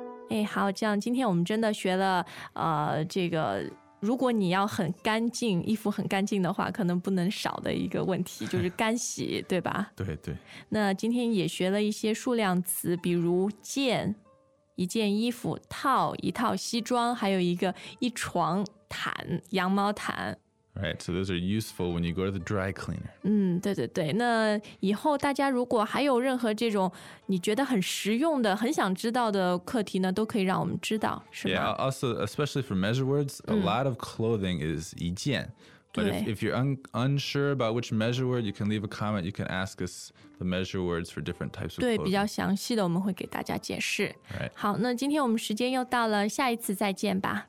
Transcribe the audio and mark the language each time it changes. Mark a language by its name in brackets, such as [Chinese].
[Chinese] 哎，好，这样今天我们真的学了这个如果你要很干净，衣服很干净的话，可能不能少的一个问题就是干洗，对吧？对对。那今天也学了一些数量词，比如件，一件衣服，套，一套西装，还有一个一床毯，羊毛毯。 [English] Right, so those are useful when you go to the dry cleaner. [Chinese] 嗯，对对对。那以后大家如果还有任何这种你觉得很实用的、很想知道的课题呢，都可以让我们知道，是吗？ [English] Yeah, also, especially for measure words, a lot of clothing is 一件。 But if you're unsure about which measure word, you can leave a comment. You can ask us the measure words for different types of clothing. [Chinese] 对，比较详细的我们会给大家解释。 [English] Right. [Chinese] 好，那今天我们时间又到了，下一次再见吧。